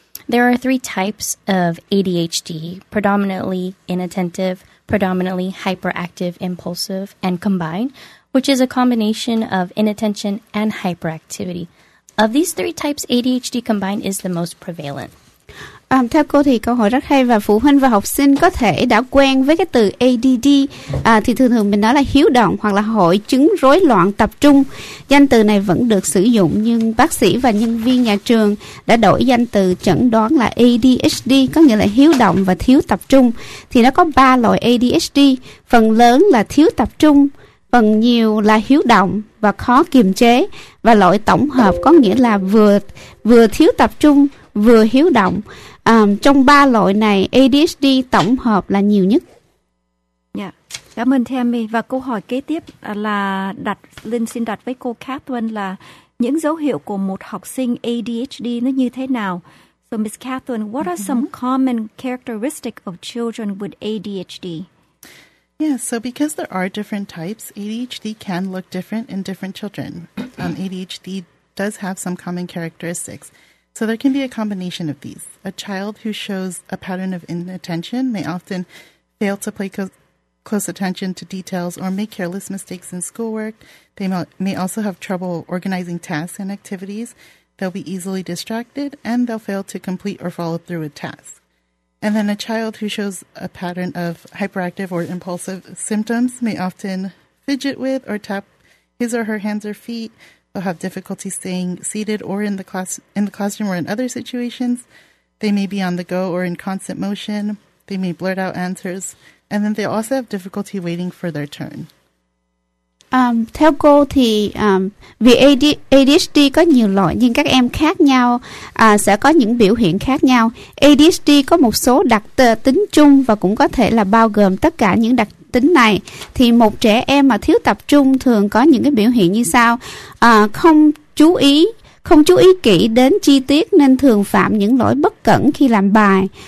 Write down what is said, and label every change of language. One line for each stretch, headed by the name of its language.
English: There are three types of ADHD: predominantly inattentive, predominantly hyperactive, impulsive, and combined, which is a combination of inattention and hyperactivity. Of these three types, ADHD combined is the most prevalent.
Vietnamese: Theo cô thì câu hỏi rất hay và phụ huynh và học sinh có thể đã quen với cái từ ADD thì thường thường mình nói là hiếu động hoặc là hội chứng rối loạn tập trung. Danh từ này vẫn được sử dụng nhưng bác sĩ và nhân viên nhà trường đã đổi danh từ chẩn đoán là ADHD, có nghĩa là hiếu động và thiếu tập trung. Thì nó có 3 loại ADHD, phần lớn là thiếu tập trung, phần nhiều là hiếu động và khó kiềm chế, và loại tổng hợp có nghĩa là vừa thiếu tập trung vừa hiếu động. Trong ba loại này ADHD tổng hợp là nhiều nhất. Dạ. Cảm ơn Tammy. Và câu hỏi kế tiếp là đặt Linh xin đặt với cô Catherine là những dấu hiệu của một học sinh ADHD nó như thế nào?
English: So Miss Catherine, what are some common characteristics of children with ADHD? Yeah, so because there are different types, ADHD can look different in different children. ADHD does have some common characteristics. So there can be a combination of these. A child who shows a pattern of inattention may often fail to pay close attention to details or make careless mistakes in schoolwork. They may also have trouble organizing tasks and activities. They'll be easily distracted, and they'll fail to complete or follow through with tasks. And then a child who shows a pattern of hyperactive or impulsive symptoms may often fidget with or tap his or her hands or feet. They'll have difficulty staying seated or in the classroom or in other situations. They may be on the go or in constant motion. They may blurt out answers. And then they also have difficulty waiting for their turn.
Vietnamese: Theo cô thì vì ADHD có nhiều loại nhưng các em khác nhau sẽ có những biểu hiện khác nhau. ADHD có một số đặc tính chung và cũng có thể là bao gồm tất cả những đặc tính này. Thì một trẻ em mà thiếu tập trung thường có những cái biểu hiện như sau: không chú ý kỹ đến chi tiết nên thường phạm những lỗi bất cẩn khi làm bài,